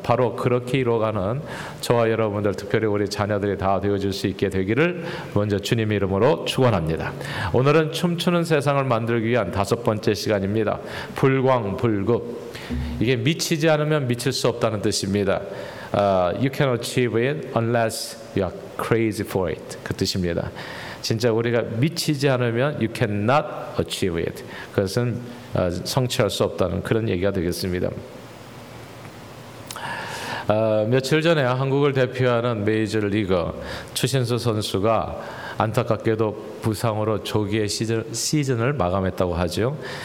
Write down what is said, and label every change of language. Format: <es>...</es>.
<ko>바로 그렇게 이루어가는 저와 여러분들, 특별히 우리 자녀들이 다 되어줄 수 있게 되기를 먼저 주님의 이름으로 축원합니다. 오늘은 춤추는 세상을 만들기 위한 다섯 번째 시간입니다. 불광불급, 이게 미치지 않으면 미칠 수 없다는 뜻입니다.</ko> <en>You can achieve it unless you are crazy for it,</en> <ko>그 뜻입니다. 진짜 우리가 미치지 않으면</ko> <en>you cannot achieve it,</en> <ko>그것은 성취할 수 없다는 그런 얘기가 되겠습니다. 며칠 전에 한국을 대표하는 메이저리거 추신수 선수가 안타깝게도 부상으로 조기의 시즌을 마감했다고 하죠.</ko>